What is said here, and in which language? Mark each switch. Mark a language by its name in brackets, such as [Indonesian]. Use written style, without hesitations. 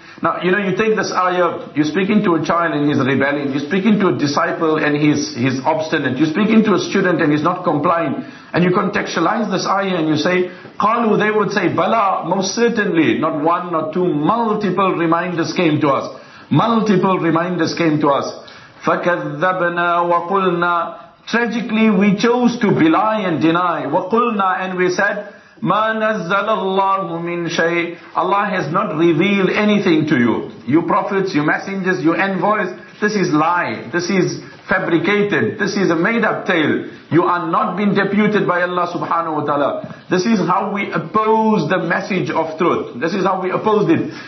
[English] Now, you know, you take this ayah, you're speaking to a child and he's rebelling, you're speaking to a disciple and he's obstinate, you're speaking to a student and he's not compliant, and you contextualize this ayah and you say, قَالُوا, they would say, بَلَا, most certainly, not one, not two, multiple reminders came to us. Multiple reminders came to us. [Arabic] فَكَذَّبْنَا وَقُلْنَا. [English] Tragically, we chose to belie and deny. [Arabic] وَقُلْنَا, [English] and we said, [Arabic] مَا نَزَّلَ اللَّهُ مِنْ شَيْءٍ. [English] Allah has not revealed anything to you. You prophets, you messengers, you envoys, this is lie. This is fabricated. This is a made-up tale. You are not being deputed by Allah subhanahu wa ta'ala. This is how we oppose the message of truth. This is how we opposed it.